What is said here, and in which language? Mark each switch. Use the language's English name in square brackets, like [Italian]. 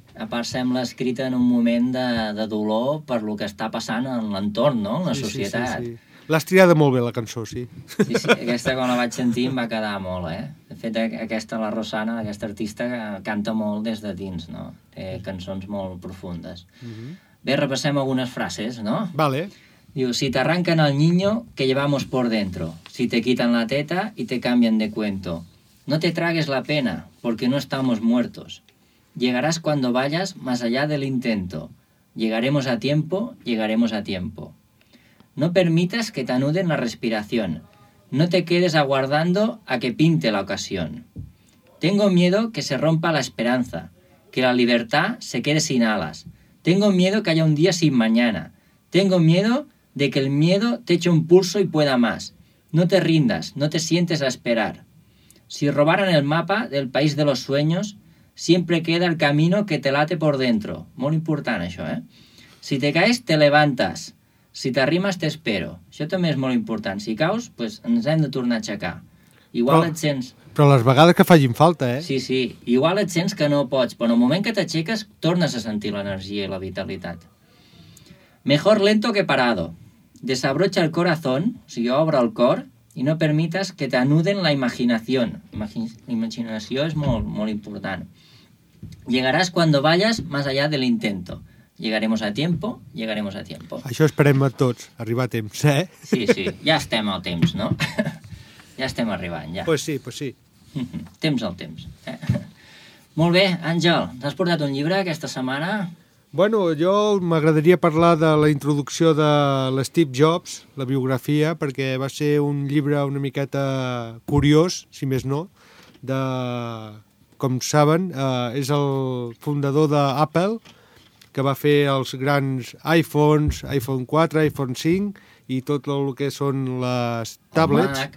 [Catalan] A part, sembla escrita en un moment de dolor per lo que està passant en l'entorn, no?, en la societat. Sí. L'has triada molt bé, la cançó, sí. Sí, aquesta quan la vaig sentir em va quedar molt, De fet, aquesta, la Rosana, aquesta artista, canta molt des de dins, no? Té cançons molt profundes. Uh-huh. Bé, repassem algunes frases, no? Vale. [Spanish] Diu, si t'arranquen el niño, que llevamos por dentro. Si te quitan la teta y te cambian de cuento. No te tragues la pena, porque no estamos muertos. Llegarás cuando vayas más allá del intento. Llegaremos a tiempo, llegaremos a tiempo. No permitas que te anuden la respiración. No te quedes aguardando a que pinte la ocasión. Tengo miedo que se rompa la esperanza, que la libertad se quede sin alas. Tengo miedo que haya un día sin mañana. Tengo miedo de que el miedo te eche un pulso y pueda más. No te rindas, no te sientes a esperar. Si robaran el mapa del país de los sueños, siempre queda el camino que te late por dentro. Muy importante eso, Si te caes, te levantas. Si t'arrimes, t'espero. [Catalan] Això també és molt important. Si caus, pues, ens hem de tornar a aixecar. Igual però, et sents... Però les vegades que facin falta, Sí, sí. Igual et sents que no pots, però en el moment que t'aixeques, tornes a sentir l'energia i la vitalitat. [Spanish] Mejor lento que parado. Desabrocha el corazón, [Catalan] o sigui, obre el cor, [Spanish] y no permites que t'anuden la imaginación. [Catalan] La imaginació és molt, molt important. [Spanish] Llegarás cuando vayas más allá del intento. Llegaremos a tiempo, llegaremos a tiempo. [Catalan] Això esperem a tots, arribar a temps, Sí, sí, ja estem al temps, no? Ja estem arribant, ja. Pues sí, pues sí. Temps al temps, Molt bé, Àngel, t'has portat un llibre aquesta setmana? Bueno, jo m'agradaria parlar de la introducció de l'Steve Jobs, la biografia, perquè va ser un llibre una miqueta curiós, si més no, de, com saben, és el fundador d'Apple, que va fer els grans iPhones, iPhone 4, iPhone 5 i tot el que són les tablets.